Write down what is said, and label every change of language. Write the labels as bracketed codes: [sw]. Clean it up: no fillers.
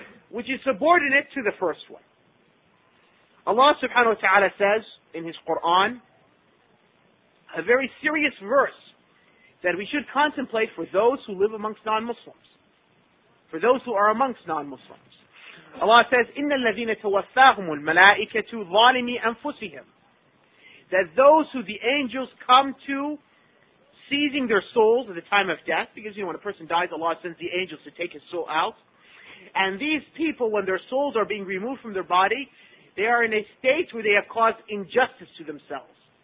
[en] Which is subordinate to the first one. Allah subhanahu wa ta'ala says in His Qur'an, a very serious verse that we should contemplate for those who live amongst non-Muslims. For those who are amongst non-Muslims. Allah says, [ar] إِنَّ الَّذِينَ تَوَفَّاهُمُ الْمَلَائِكَةُ ظَالِمِي أَنفُسِهِمْ. [en] That those who the angels come to, seizing their souls at the time of death, because, you know, when a person dies, Allah sends the angels to take his soul out. And these people, when their souls are being removed from their body, they are in a state where they have caused injustice to themselves.